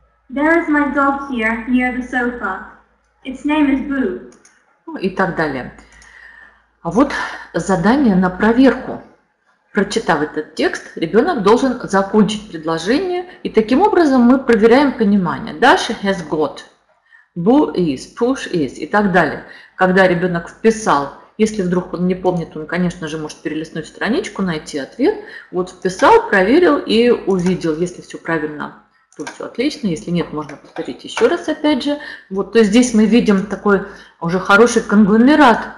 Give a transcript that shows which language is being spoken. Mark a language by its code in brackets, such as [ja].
[en] There is my dog here near the sofa. Its name is Boo. [ru] Ну и так далее. А вот задание на проверку. Прочитав этот текст, ребенок должен закончить предложение, и таким образом мы проверяем понимание. [en] Dasha has got. Boo is, push is [ru] и так далее. Когда ребенок вписал, если вдруг он не помнит, он, конечно же, может перелистнуть страничку, найти ответ. Вот вписал, проверил и увидел, если все правильно, то все отлично. Если нет, можно повторить еще раз опять же. Вот, то есть здесь мы видим такой уже хороший конгломерат.